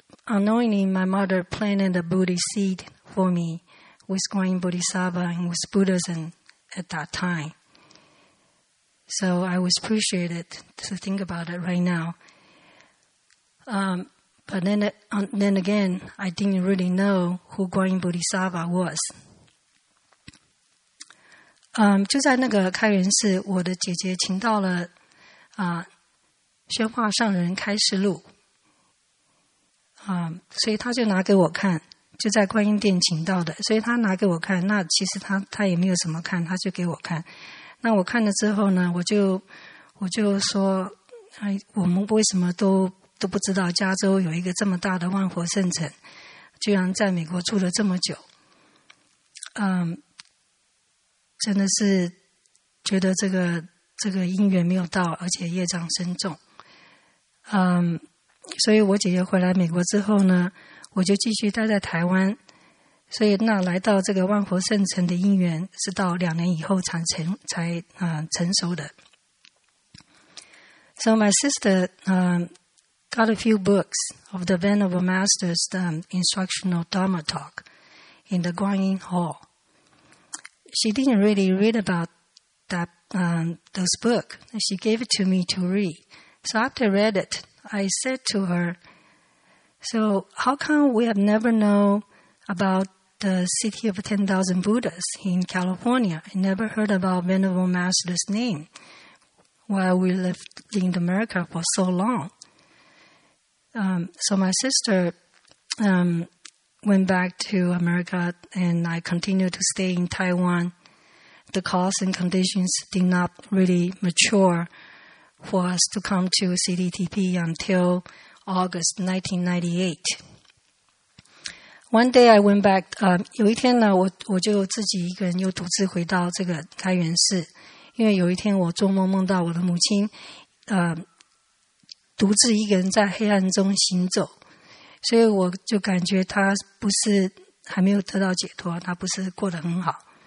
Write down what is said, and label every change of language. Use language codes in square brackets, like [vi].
[en] Unknowingly, my mother planted a Bodhi seed for me with Guan Yin Bodhisattva and with Buddhism at that time. So I would appreciate it to think about it right now. But then again, I didn't really know who Guan Yin Bodhisattva was. [zh] 就在那个开元寺，我的姐姐请到了宣化上人开示录，所以他就拿给我看，就在观音殿请到的，所以他拿给我看。那其实他也没有怎么看，他就给我看。那我看了之后呢，我就说，哎，我们为什么都不知道加州有一个这么大的万佛圣城，居然在美国住了这么久，真的是觉得这个因缘没有到，而且业障深重，所以我姐姐回来美国之后呢，我就继续待在台湾，所以那来到这个万佛圣城的因缘是到两年以后才成熟的。 [en] So my sister got a few books of the Venerable Master's instructional Dharma talk in the Guanyin Hall. She didn't really read about that those book. She gave it to me to read. So after I read it, I said to her, "So how come we have never known about the City of 10,000 Buddhas in California? I never heard about Venerable Master's name while we lived in America for so long." So my sister went back to America and I continued to stay in Taiwan. The cause and conditions did not really mature for us to come to CDTP until August 1998. One day I went back, [zh] 有一天呢，我就自己一个人又独自回到这个开元寺，因为有一天我做梦梦到我的母亲独自一个人在黑暗中行走，所以我就感觉他不是还没有得到解脱，他不是过得很好。